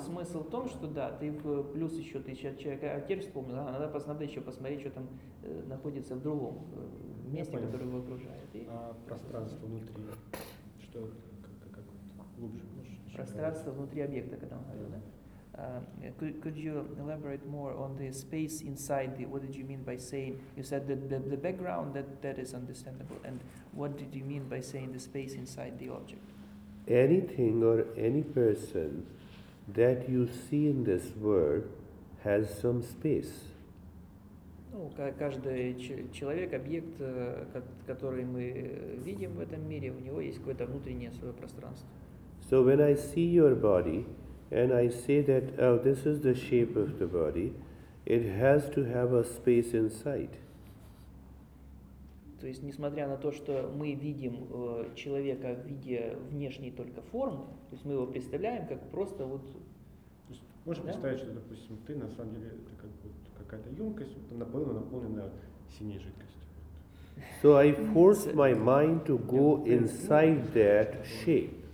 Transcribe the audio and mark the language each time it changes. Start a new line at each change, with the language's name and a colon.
Russian: А здесь смысл в том, что да, ты плюс еще, ты человека, а теперь вспомнил, надо еще посмотреть, что там находится в другом месте, которое его окружает. А пространство внутри... Что, как пространство внутри объекта, когда он говорил, да?
English: Could you elaborate more on the space inside the, what did you mean by saying, you said that the background, that is understandable, and what did you mean by saying the space inside the object? Anything or any person that you see in this world has some space.
Russian: Ну, каждый человек, объект, который мы видим в этом мире, у него есть какое-то внутреннее свое пространство.
English: So when I see your body, and I say that, oh, this is the shape of the body, it has to have a space inside.
Russian: То есть, несмотря на то, что мы видим человека в виде внешней только формы, то есть мы его представляем как просто вот... Можешь представить, что, допустим, ты на самом деле это как бы какая-то емкость, наполовину наполненная синей жидкостью.
English: So I forced my mind to go inside that shape.